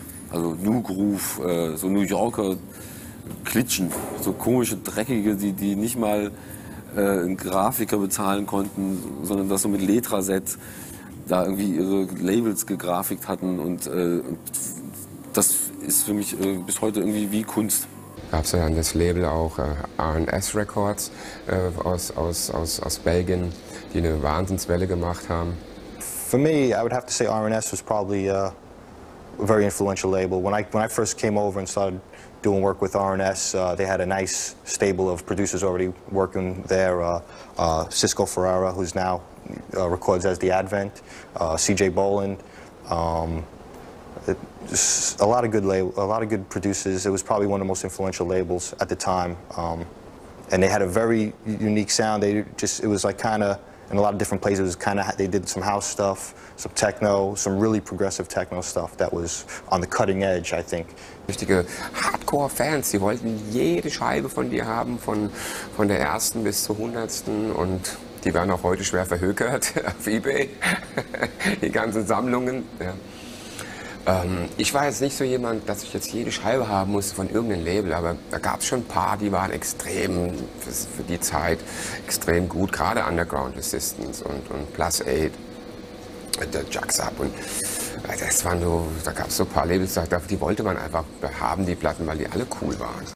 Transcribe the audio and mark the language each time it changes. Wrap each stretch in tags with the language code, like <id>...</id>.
<de>Also New Groove, so New Yorker Klitschen, so komische, dreckige, die nicht mal einen Grafiker bezahlen konnten, sondern das so mit Letraset da irgendwie ihre Labels gegrafikt hatten und das ist für mich bis heute irgendwie wie Kunst. Gab es dann das Label auch R&S Records aus Belgien, die eine Wahnsinnswelle gemacht haben.</de> <en>For me, I would have to say R&S was probably a very influential label. When I first came over and started doing work with R&S, they had a nice stable of producers already working there. Cisco Ferrara, who's now records as The Advent, CJ Boland. A lot of good producers. It was probably one of the most influential labels at the time, and they had a very unique sound. It was like kind of in a lot of different places. It was kind of, they did some house stuff, some techno, some really progressive techno stuff that was on the cutting edge, I think.</en> <de>Richtige Hardcore-Fans, die wollten jede Scheibe von dir haben, von der ersten bis zur hundertsten, und die werden auch heute schwer verhökert auf eBay. Die ganzen Sammlungen. Ja. Ich war jetzt nicht so jemand, dass ich jetzt jede Scheibe haben musste von irgendeinem Label, aber da gab es schon ein paar, die waren extrem, für die Zeit, extrem gut, gerade Underground Resistance und Plus 8, der Jux Up und das waren so, da gab es so ein paar Labels, die wollte man einfach haben, die Platten, weil die alle cool waren.</de>